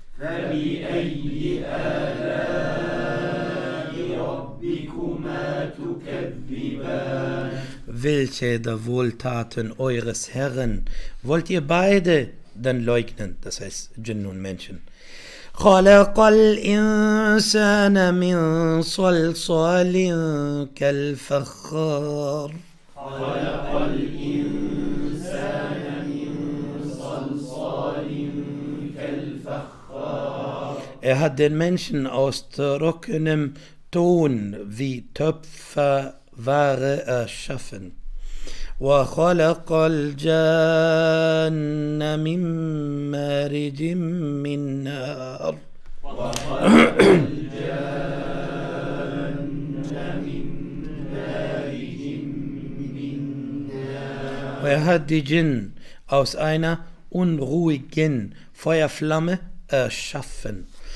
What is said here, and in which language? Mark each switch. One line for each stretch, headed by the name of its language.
Arabic: فَبِأَيِّ آلَاءِ رَبِّكُمَا تُكَذِّبَانِ
German: welche der Wohltaten eures Herrn wollt ihr beide denn leugnen? Das heißt, Djinn und Menschen.
Arabic: خلق الإنسان من صلصال كالفخار خلق الإنسان من صلصال كالفخار
German: Er hat den Menschen aus trockenem Ton wie Töpferware erschaffen.
Arabic: وخلق الجان من مارج من نار
German: hat die Djinn aus einer unruhigen Feuerflamme erschaffen.